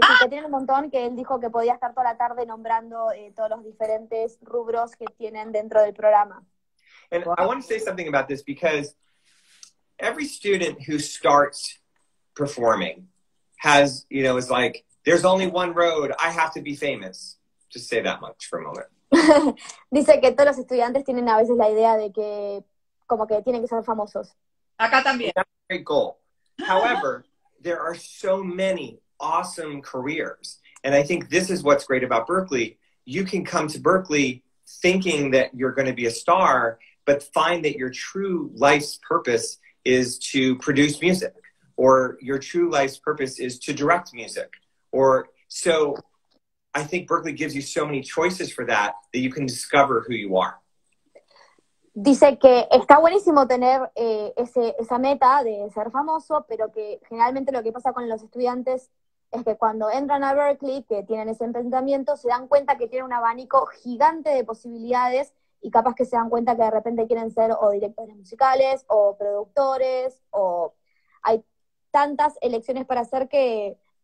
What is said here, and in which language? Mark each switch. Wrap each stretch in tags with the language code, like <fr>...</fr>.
<es>Sí, que tienen un montón, que él dijo que podía estar toda la tarde nombrando todos los diferentes rubros que tienen dentro del programa.</es> <en>And wow. I want to say something about this because every student who starts performing has, you know, is like, there's only one road, I have to be famous. Just say that much for a moment.</en> <es>Dice que todos los estudiantes tienen a veces la idea de que, como que tienen que ser famosos. Acá también.</es> <en>That's a great goal. However, there are so many awesome careers. And I think this is what's great about Berkeley. You can come to Berkeley thinking that you're going to be a star, but find that your true life's purpose is to produce music, or your true life's purpose is to direct music, Or so I think Berklee gives you so many choices for that that you can discover who you are.</en> <es>Dice que está buenísimo tener esa meta de ser famoso, pero que generalmente lo que pasa con los estudiantes es que cuando entran a Berklee, que tienen ese pensamiento, se dan cuenta que tienen un abanico gigante de posibilidades y capaz que se dan cuenta que de repente quieren ser o directores musicales o productores, o hay tantas elecciones para hacer que</es>